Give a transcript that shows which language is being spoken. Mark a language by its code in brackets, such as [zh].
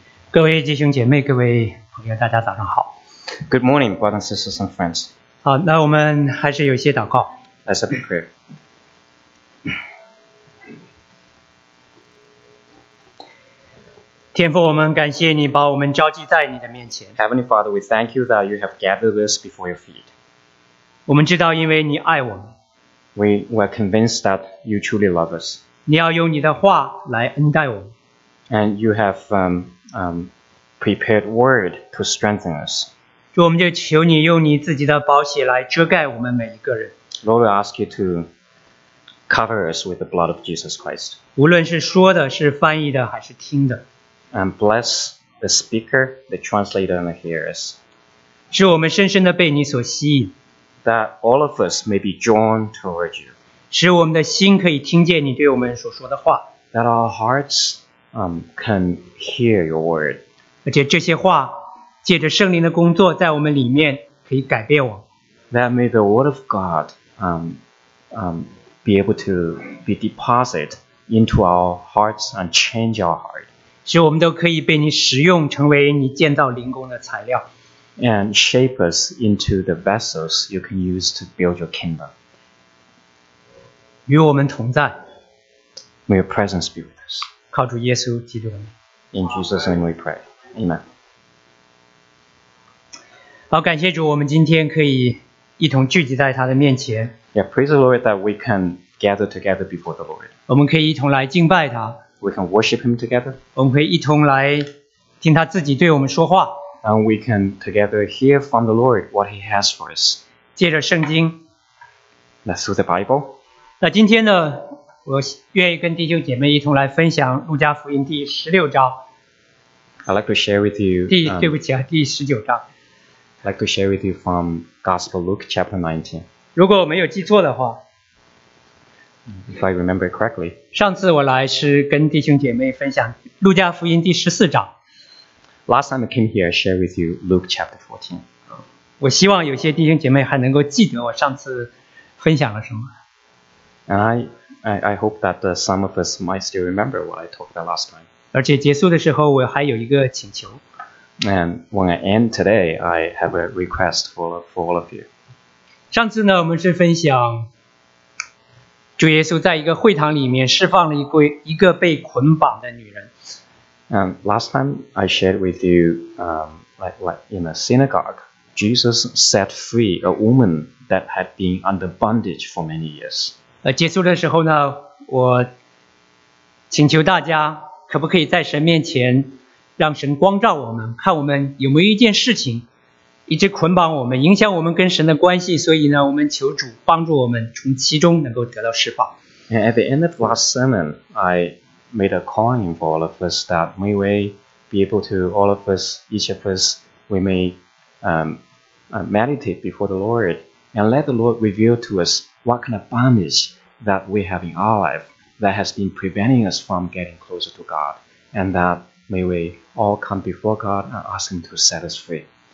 [zh] 各位弟兄姐妹，各位朋友，大家早上好。 [en] Good morning, brothers and sisters and friends. [zh] 好，那我们还是有一些祷告。 [en] Let's have a prayer. [zh] 天父，我们感谢你把我们召集在你的面前。 [en] Heavenly Father, we thank you that you have gathered us before your feet. [zh] 我们知道，因为你爱我们。 [en] We were convinced that you truly love us. [zh] 你要用你的话来恩待我们。 [en] And you have prepared word to strengthen us. [zh] 主，我们就求你用你自己的宝血来遮盖我们每一个人。 [en] Lord, we ask you to cover us with the blood of Jesus Christ. [zh] 无论是说的，是翻译的，还是听的。 [en] And bless the speaker, the translator, and the hearers. [zh] 使我们深深的被你所吸引。 [en] That all of us may be drawn toward you. [zh] 使我们的心可以听见你对我们所说的话。 [en] That our hearts can hear your word. [zh] 而且这些话借着圣灵的工作在我们里面可以改变我。 [en] That may the word of God be able to be deposited into our hearts and change our heart. [zh] 使我们都可以被你使用，成为你建造灵宫的材料。 [en] And shape us into the vessels you can use to build your kingdom. [zh] 与我们同在。 [en] May your presence be with us. [zh] 靠主耶稣基督的名。 [en] In Jesus' name we pray. Amen. [zh] 好，感谢主，我们今天可以一同聚集在他的面前。 [en] Yeah, praise the Lord that we can gather together before the Lord. [zh] 我们可以一同来敬拜他。 [en] We can worship him together. [zh] 我们可以一同来听他自己对我们说话。 [en] And we can together hear from the Lord what he has for us. [zh] 借着圣经。 [en] That's through the Bible. [zh] 那今天呢，我愿意跟弟兄姐妹一同来分享路加福音第十六章。 [en] I'd like to share with you. [zh] 对不起啊，第十九章。 [en] I'd like to share with you from Gospel Luke chapter 19. [zh] 如果我没有记错的话。 [en] If I remember correctly. [zh] 上次我来是跟弟兄姐妹分享路加福音第十四章。 [en] Last time I came here, I shared with you Luke chapter 14. [zh] 我希望有些弟兄姐妹还能够记得我上次分享了什么。 [en] And I hope that some of us might still remember what I talked about last time. [zh] 而且结束的时候我还有一个请求。 [en] And when I end today, I have a request for all of you. [zh] 上次呢，我们是分享主耶稣在一个会堂里面释放了一个被捆绑的女人。 [en] And last time I shared with you, like in a synagogue, Jesus set free a woman that had been under bondage for many years. [zh] 结束的时候呢，我请求大家可不可以在神面前让神光照我们，看我们有没有一件事情一直捆绑我们，影响我们跟神的关系，所以呢，我们求主帮助我们从其中能够得到释放。 [en] And at the end of last sermon, I made a calling for all of us that may we be able to, all of us, each of us, we may meditate before the Lord and let the Lord reveal to us. What kind of bondage that we have in our life that has been preventing us from getting closer to God, and that may we all come before God and ask Him to set us free.